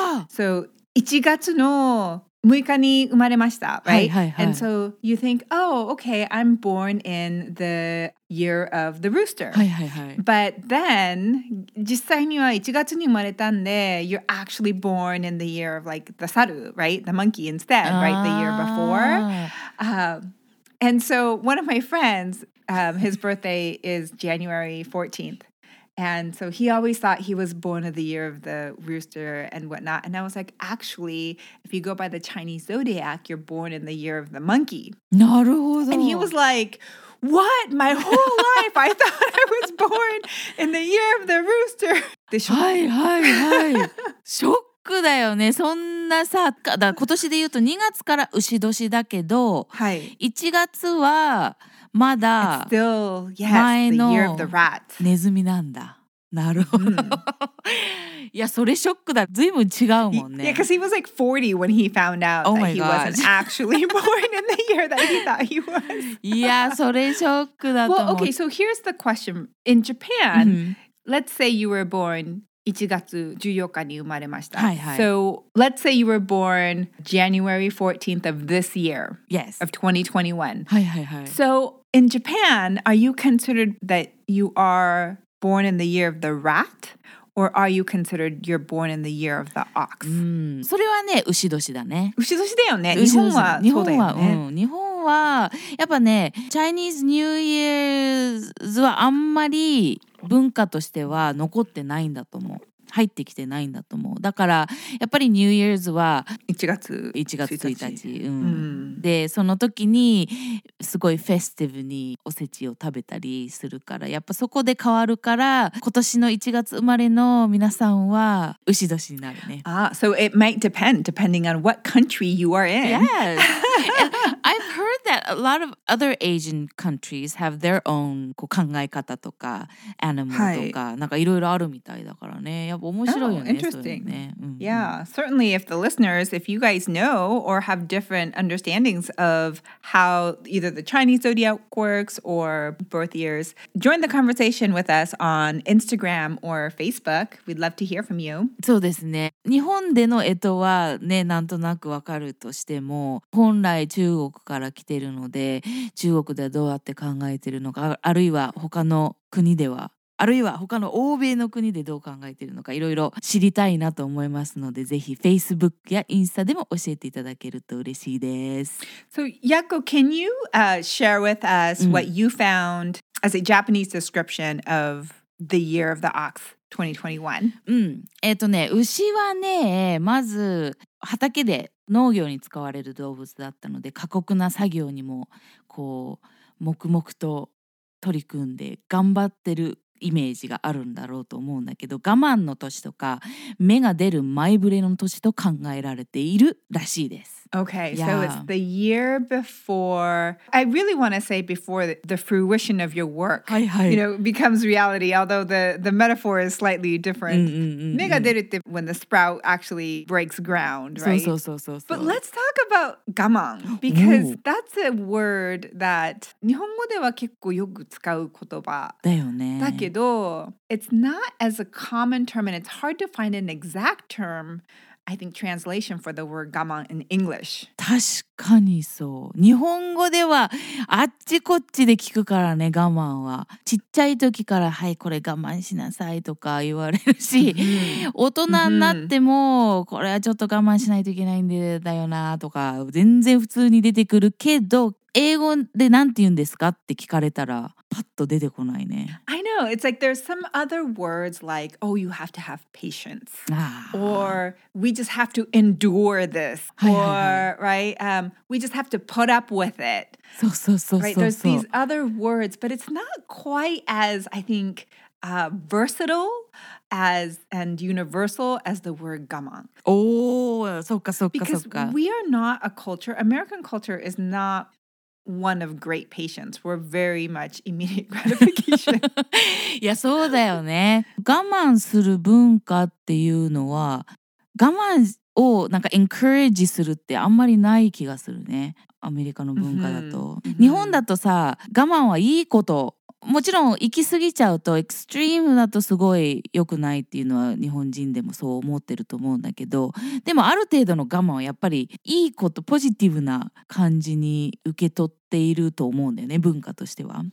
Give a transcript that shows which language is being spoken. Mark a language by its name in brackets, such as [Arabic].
[Japanese] So 1月の6日に生まれました、right? はいはいはい、 [English] And so you think, oh, okay, I'm born in the year of the rooster. [Japanese] はいはい、はい、 [English] But then, [Japanese] 実際には1月に生まれたんで、 [English] you're actually born in the year of like the saru, right? The monkey instead, right? The year before. And so one of my friends, his birthday is January 14th. And so he always thought he was born of the year of the rooster and whatnot. And I was like, actually, if you go by the Chinese zodiac, you're born in the year of the monkey. [Japanese] なるほど。 [English] And he was like, what? My whole life, I thought I was born in the year of the rooster. [Japanese] でしょ？はいはいはい。ショックだよね。そんなさ、だから今年で言うと2月から牛年だけど、はい、 1月はまだ前のネズミなんだ。なるほど。いや、それショックだ。ずいぶん違うもんね。 [English] Yeah, because he was like 40 when he found out that he wasn't actually born in the year that he thought he was. [Japanese] いや、それショックだと思う。 [English] Well, okay, so here's the question. In Japan, let's say you were born [Japanese] 1月14日に生まれました。はいはい。 [English] So let's say you were born January 14th of this year. Yes. Of 2021. [Japanese] はいはいはい。 [English] So in Japan, are you considered that you are born in the year of the rat? Or are you considered you're born in the year of the ox? [Japanese] それはね、牛年だね。牛年だよね。日本は、日本は、うん。日本は、やっぱね、Chinese New Year's はあんまり文化としては残ってないんだと思う。入ってきてないんだと思う。だからやっぱりニューイヤーズは 1月1日、うん、でその時にすごいフェスティブにおせちを食べたりするから、やっぱそこで変わるから、今年の1月生まれの皆さんは牛年になるね。 [English] So it might depending on what country you are in. Yes. I've heard that a lot of other Asian countries have their own [Japanese] こう考え方とか animal とか、はい、なんかいろいろあるみたいだからね。やっぱ面白いよね。 [English] Oh, interesting. [Japanese] そういうのね。 [English] Mm-hmm. Yeah, certainly if the listeners, if you guys know or have different understandings of how either the Chinese zodiac works or birth years, join the conversation with us on Instagram or Facebook. We'd love to hear from you. [Japanese] そうですね。日本での干支はね、なんとなくわかるとしても、本来中国から来てるので、中国ではどうやって考えてるのか、あるいは他の国では、あるいは他の欧米の国でどう考えているのか、いろいろ知りたいなと思いますので、ぜひ Facebook やインスタでも教えていただけると嬉しいです。 [English] So, Yako, can you, share with us what you found as a Japanese description of the year of the ox, 2021? [Japanese] うん。牛はね、まず畑で農業に使われる動物だったので、過酷な作業にもこう黙々と取り組んで頑張ってるイメージがあるんだろうと思うんだけど、我慢の年とか芽が出る前触れの年と考えられているらしいです。 [English] Okay, yeah. So it's the year before, I really want to say before the fruition of your work, [Japanese] はい、はい、 [English] you know, becomes reality, although the metaphor is slightly different. [Japanese] 芽が出るって [English] when the sprout actually breaks ground, right? [Japanese] そうそうそうそう。 [English] But let's talk about 我慢 because that's a word that [Japanese] 日本語では結構よく使う言葉だよね。 [English] It's not as a common term, and it's hard to find an exact term, I think, translation for the word 我慢 in English. [Japanese] 確かにそう。日本語ではあっちこっちで聞くからね、我慢は。ちっちゃい時から、はい、これ我慢しなさいとか言われるし、大人になっても、これはちょっと我慢しないといけないんだよなとか、全然普通に出てくるけど、英語でなんて言うんですかって聞かれたら、パッと出てこないね。 [English] I know. It's like there's some other words like, oh, you have to have patience. Or we just have to endure this. Or, right, we just have to put up with it. [Japanese] そうそうそう。 [English] Right, there's these other words, but it's not quite as, I think, versatile as and universal as the word 我慢. [Japanese] Oh, そうかそうかそうか。 [English] Because we are not a culture, American culture is not... one of great patience. We're very much immediate gratification. [Japanese] いや、そうだよね。我慢する文化っていうのは、我慢をなんか encourage するってあんまりない気がするね。アメリカの文化だと。Mm-hmm. 日本だとさ、我慢はいいこと。もちろん行き過ぎちゃうと、エクストリームだとすごい良くないっていうのは日本人でもそう思ってると思うんだけど、でもある程度の我慢はやっぱりいいこと、ポジティブな感じに受け取っていると思うんだよね、文化としては。